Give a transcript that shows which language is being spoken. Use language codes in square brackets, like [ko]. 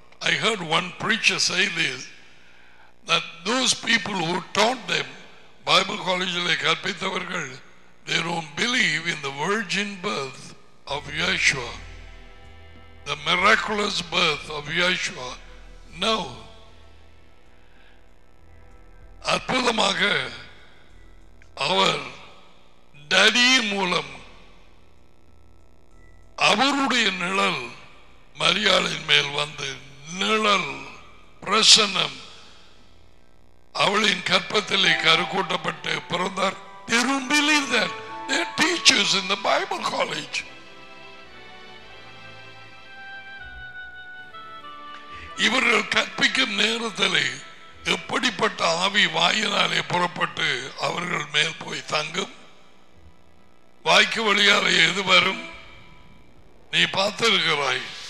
[en] I heard one preacher say this, that those people who taught them, Bible college [ta] le kalpithavargal, [en] they don't believe in the virgin birth of Yeshua, the miraculous birth of Yeshua. No. [ta] அற்புதமாக அவர் daddy மூலம் அவருடைய நிழல் மரியாளின் மேல் வந்து நிழல் பிரசன்னம் அவளின் கற்பத்திலே கருக்கூட்டப்பட்டு பிறந்தார். [en] They don't believe that. They are teachers in the Bible college. [ta] இவர்கள் கற்பிக்கும் நேரத்திலே எப்படிப்பட்ட ஆவி வாயினாலே புறப்பட்டு அவர்கள் மேல் போய் தங்கும்? வாய்க்கு வழியால் எது வரும் நீ பார்த்திருக்கிறாய்.